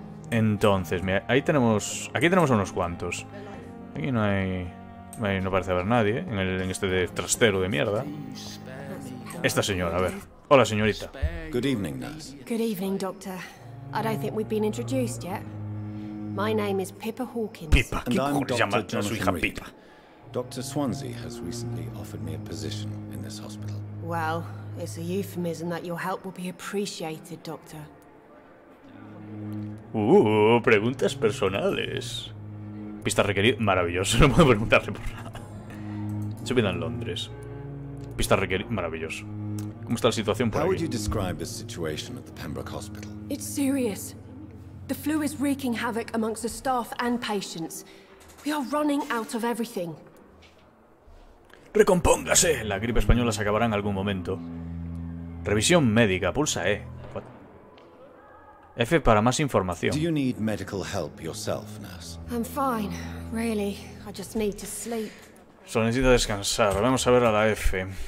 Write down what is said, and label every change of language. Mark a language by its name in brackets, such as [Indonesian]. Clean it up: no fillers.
[Spanish] Entonces, mira, ahí tenemos... Aquí tenemos unos cuantos. Aquí no hay... Ahí no parece haber nadie. En este de trastero de mierda. Esta señora, a ver. Hola, señorita. [English] Good evening, nurse. Good evening, doctor. I don't think we've been introduced yet. My name is Pippa Hawkins. [Spanish] Pippa, ¿qué cojones llama a su hija Pippa? [English] Dr. Swansea has recently offered me a position in this hospital. Well, it's a euphemism that your help will be appreciated, doctor. [Spanish] Preguntas personales. Pista requerida. Maravilloso, no puedo preguntarle por nada. Su vida en Londres. Pista requerida. Maravilloso. ¿Cómo está la situación por ahí? [English] How would you describe the situation at the Pembroke Hospital? It's serious. The flu is wreaking havoc amongst the staff and patients. We are running out of everything. [Spanish] Recompóngase. La gripe española se acabará en algún momento. Revisión médica. Pulsa E. What? F para más información. [English] Do you need medical help yourself, nurse? I'm fine, really. I just need to sleep. [Spanish] Solo necesito descansar. Vamos a ver a la F.